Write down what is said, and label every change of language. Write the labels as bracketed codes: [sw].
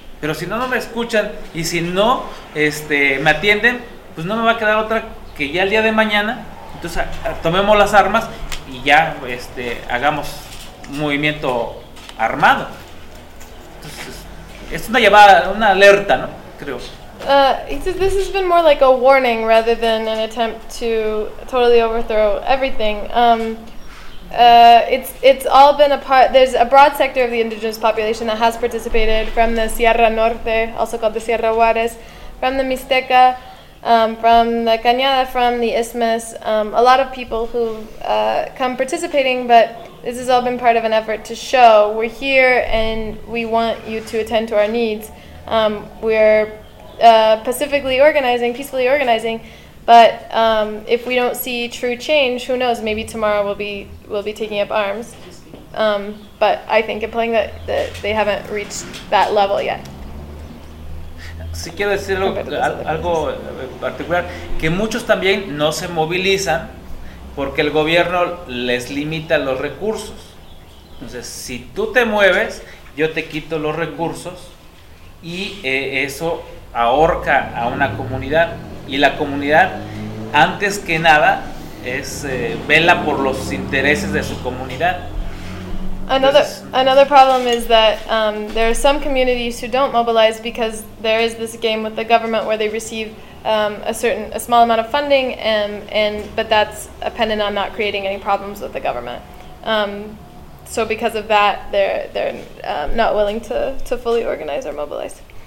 [es] Pero si no me escuchan y si no me atienden, pues no me va a quedar otra que ya el día de mañana. Entonces, tomemos las armas y ya hagamos un movimiento armado. Entonces, es una llamada, una alerta, ¿no? Creo. [en] This has been more like a warning rather than an attempt to totally overthrow everything. It's all been a part, there's a broad sector of the indigenous population that has participated from the Sierra Norte, also called the Sierra Juárez, from the Mixteca, from the Cañada, from the Isthmus, a lot of people who come participating, but this has all been part of an effort to show we're here and we want you to attend to our needs. We're pacifically organizing, peacefully organizing, but if we don't see true change, who knows, maybe tomorrow we'll be taking up arms. But I think implying that they haven't reached that level yet. [es] Sí, quiero decir algo particular, que muchos también no se movilizan porque el gobierno les limita los recursos. Entonces, si tú te mueves, yo te quito los recursos y eso ahorca a una comunidad. Y la comunidad, antes que nada, vela por los intereses de su comunidad. [en] Another problem is that there are some communities who don't mobilize because there is this game with the government where they receive a small amount of funding, but that's dependent on not creating any problems with the government. So because of that, they're not willing to fully organize or mobilize.